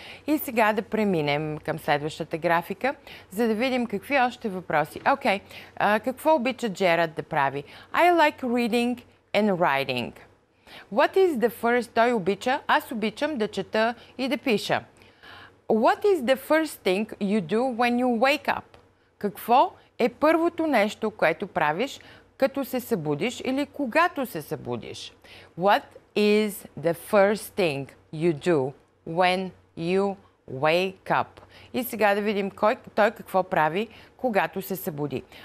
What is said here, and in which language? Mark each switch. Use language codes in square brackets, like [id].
[bg] И сега да преминем към следващата графика, за да видим какви още въпроси. Окей, какво обича Джерард да прави? [en] I like reading and writing. What is the first... [bg] Той обича, аз обичам да чета и да пиша. [en] What is the first thing you do when you wake up? [bg] Какво е първото нещо, което правиш, като се събудиш или когато се събудиш? [en] What is the first thing you do when you wake up? [bg] И сега да видим той какво прави, когато се събуди.